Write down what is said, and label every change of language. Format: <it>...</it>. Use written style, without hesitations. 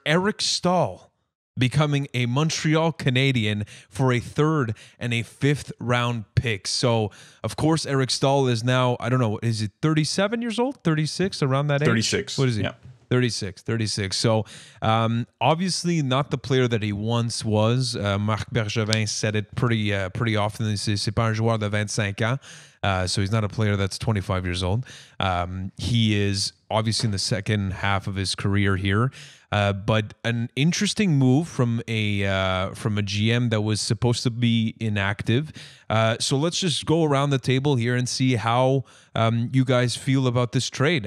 <en>Eric Staal becoming a Montreal Canadian for a third and a fifth round pick. So, of course, Eric Staal is now, I don't know, is he 37 years old? 36, around that age? 36. What is he? Yeah. 36. So, obviously not the player that he once was. Marc Bergevin said it pretty often. He says,</en> <fr>c'est pas un joueur de 25 ans.</fr> <en>So he's not a player that's 25 years old. He is obviously in the second half of his career here. But an interesting move from a GM that was supposed to be inactive. So let's just go around the table here and see how you guys feel about this trade.</en>